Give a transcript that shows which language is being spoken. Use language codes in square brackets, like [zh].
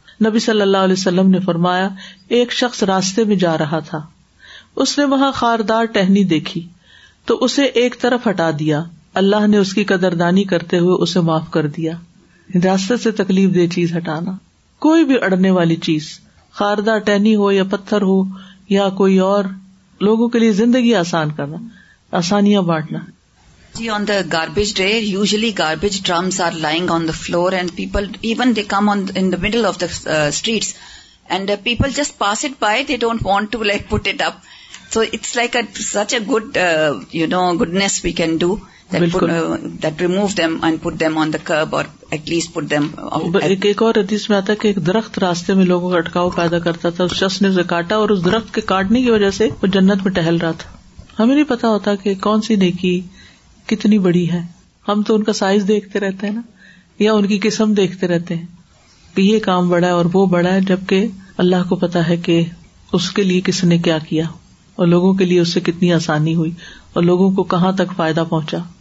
[ur] نبی صلی اللہ علیہ وسلم نے فرمایا، ایک شخص راستے میں جا رہا تھا، اس نے وہاں خاردار ٹہنی دیکھی تو اسے ایک طرف ہٹا دیا، اللہ نے اس کی قدردانی کرتے ہوئے اسے معاف کر دیا. راستے سے تکلیف دہ چیز ہٹانا، کوئی بھی اڑنے والی چیز، خاردار ٹہنی ہو یا پتھر ہو یا کوئی اور، لوگوں کے لیے زندگی آسان کرنا، آسانیاں بانٹنا. [en] See, on the garbage day, usually garbage drums are lying on the floor and people, even they come on in the middle of the streets and people just pass it by, they don't want to like put it up. So it's like such a good, you know, goodness we can do, that that remove them and put them on the curb or at least put them out. [ur] ایک اور حدیث میں آتا ہے کہ ایک درخت راستے میں لوگوں کا اٹکاؤ پیدا کرتا تھا، اس شخص نے اسے کاٹا اور اس درخت کے کاٹنے کی وجہ سے وہ جنت میں ٹہل رہا تھا. ہمیں نہیں پتا ہوتا کہ کون سی نیکی کتنی بڑی ہے، ہم تو ان کا سائز دیکھتے رہتے ہیں نا، یا ان کی قسم دیکھتے رہتے ہیں کہ یہ کام بڑا ہے اور وہ بڑا ہے، جبکہ اللہ کو پتا ہے کہ اس کے لیے کس نے کیا کیا اور لوگوں کے لیے اس سے کتنی آسانی ہوئی اور لوگوں کو کہاں تک فائدہ پہنچا.